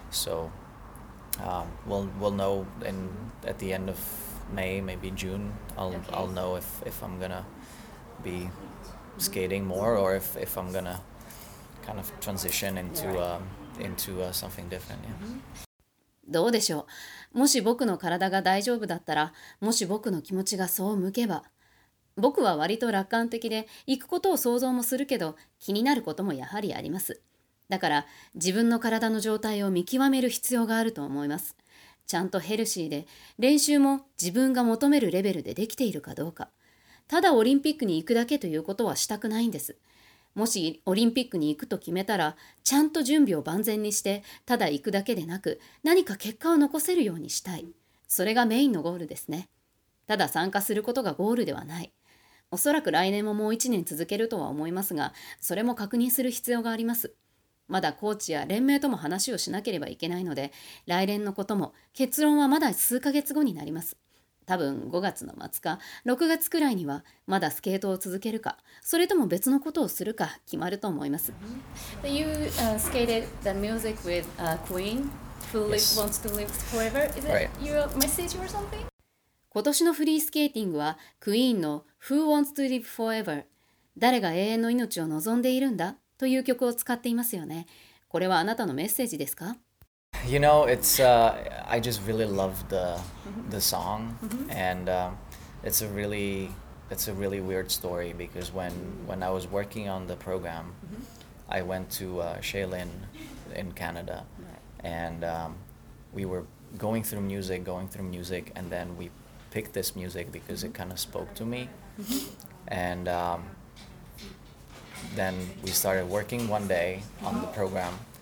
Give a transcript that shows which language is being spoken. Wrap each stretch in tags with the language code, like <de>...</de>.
<en>So we'll know in at the end of May, maybe June. I'll know if I'm gonna be skating more or if I'm gonna kind of transition into something different. Yeah.</en> <ja>どうでしょう。もし僕の体が大丈夫だったら、もし僕の気持ちがそう向けば、僕は割と楽観的で行くことを想像もするけど、気になることもやはりあります。だから自分の体の状態を見極める必要があると思います。ちゃんとヘルシーで練習も自分が求めるレベルでできているかどうか。ただオリンピックに行くだけということはしたくないんです。もしオリンピックに行くと決めたら、ちゃんと準備を万全にして、ただ行くだけでなく、何か結果を残せるようにしたい。それがメインのゴールですね。ただ参加することがゴールではない。おそらく来年ももう1年続けるとは思いますが、それも確認する必要があります。まだコーチや連盟とも話をしなければいけないので、来年のことも結論はまだ数ヶ月後になります。多分5月の末か6月くらいにはまだスケートを続けるか、それとも別のことをするか決まると思います。</ja> <en>You skated the music with a queen who wants to live forever. Is that your message or something?</en> <ja>今年のフリースケーティングはクイーンの Who Wants to Live Forever? 誰が永遠の命を望んでいるんだという曲を使っていますよね。これはあなたのメッセージですか？</ja> <en>You know, it's I just really love the song, and it's a really weird story because when I was working on the program, I went to Shaolin in Canada, and we were going through music, and then we picked this music because it kind of spoke to me, and then we started working one day on the program.</en>